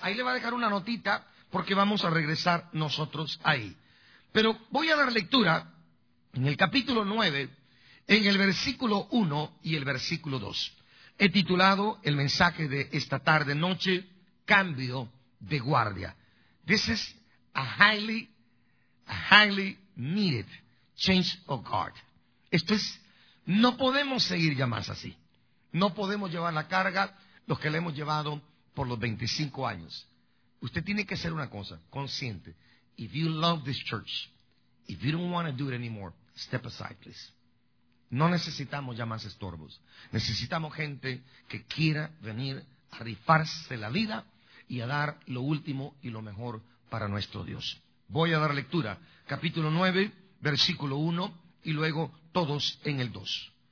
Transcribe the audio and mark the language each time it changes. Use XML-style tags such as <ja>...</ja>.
<es>Ahí le va a dejar una notita, porque vamos a regresar nosotros ahí. Pero voy a dar lectura en el capítulo 9, en el versículo 1 y el versículo 2. He titulado el mensaje de esta tarde-noche, Cambio de Guardia.</es> <en>This is a highly needed change of guard.</en> <es>Esto es, no podemos seguir ya más así. No podemos llevar la carga, los que la hemos llevado por los 25 años. Usted tiene que hacer una cosa, consciente.</es> <en>If you love this church, if you don't want to do it anymore, step aside, please.</en> <es>No necesitamos ya más estorbos. Necesitamos gente que quiera venir a rifarse la vida y a dar lo último y lo mejor para nuestro Dios. Voy a dar lectura. Capítulo 9, versículo 1 y luego todos en el 2.</es>